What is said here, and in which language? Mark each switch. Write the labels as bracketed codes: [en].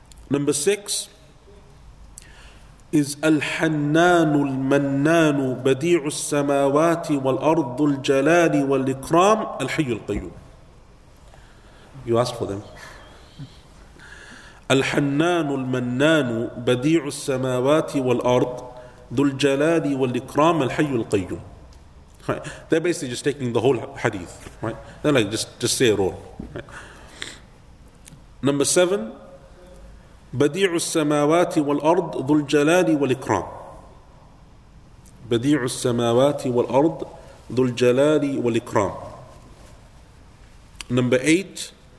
[en] Number six is [ar] الحنان المنان بديع السماوات والأرض الجلال والإكرام الحي القيوم. [en] You ask for them. [ar] الحنان المنان بديع السماوات والأرض ذو الجلال والإكرام الحي القيوم. [en] They're basically just taking the whole hadith, right? They're like just say it all. Number seven, [ar] بديع السماوات والأرض ذو الجلال والإكرام. بديع السماوات والأرض ذو الجلال والإكرام. [en] Number eight